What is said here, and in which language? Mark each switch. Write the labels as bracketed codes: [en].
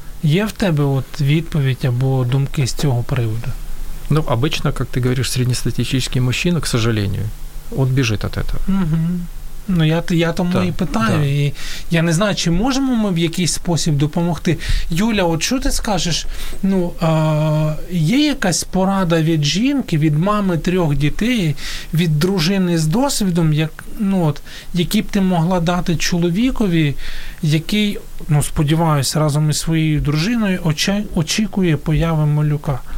[uk] Є в тебе от відповідь або думки з цього приводу? [ru] Ну, обычно, как ты говоришь, среднестатистический мужчина, к сожалению, он бежит от этого. [uk] Угу. Ну, я тому да, і питаю. Да. І я не знаю, чи можемо ми в якийсь спосіб допомогти. Юля, от що ти скажеш? Ну, є якась порада від жінки, від мами трьох дітей, від дружини з досвідом, як, ну, от, які б ти могла дати чоловікові, який, ну, сподіваюся, разом із своєю дружиною очікує появи малюка?